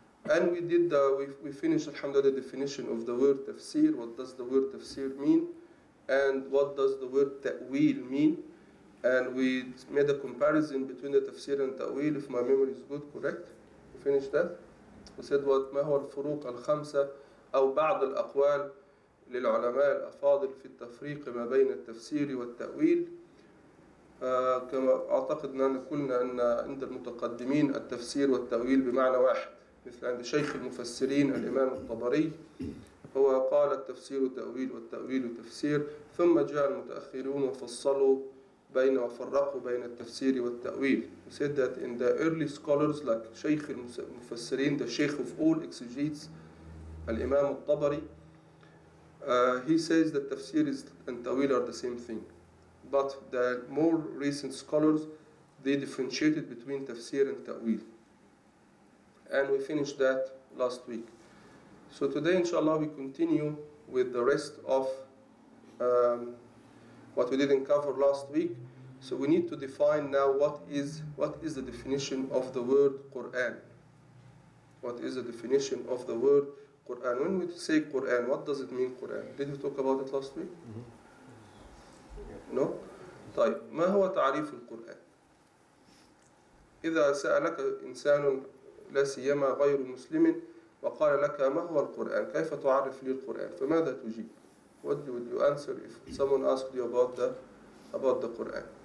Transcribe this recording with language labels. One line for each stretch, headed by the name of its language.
English: And we finished, alhamdulillah, the definition of the word tafsir. What does the word tafsir mean? And what does the word ta'wil mean? And we made a comparison between the tafsir and ta'wil, if my memory is good, correct? We finished that. We said what
Arabic: ما هو الفروق الخمسة أو بعض الأقوال للعلماء الأفاضل في التفريق ما بين التفسير والتأويل. كما أعتقد أننا قلنا أن عند المتقدمين التفسير والتأويل بمعنى واحد، مثل عند شيخ المفسرين الإمام الطبري هو قال التفسير تأويل والتأويل تفسير، ثم جاء المتأخرون وفصلوا بين وفرقوا بين التفسير والتأويل.
English: We said that in the early scholars like
Arabic: شيخ المفسرين,
English: the Sheikh of all exegetes, الإمام الطبري, he says that تفسير and تأويل are the same thing. But the more recent scholars, they differentiated between تفسير and تأويل. And we finished that last week. So today, inshallah, we continue with the rest of what we didn't cover last week. So we need to define now what is the definition of the word Quran. What is the definition of the word Quran? When we say Quran, what does it mean, Quran? Did we talk about it last week? Mm-hmm. No?
Arabic: طيب ما هو تعريف القرآن؟ إذا سألك إنسان لا سيما غير مسلم وقال لك ما هو القرآن؟ كيف تعرف لي القرآن؟ فماذا تجيب؟
English: What would you answer if someone asked you about the Quran?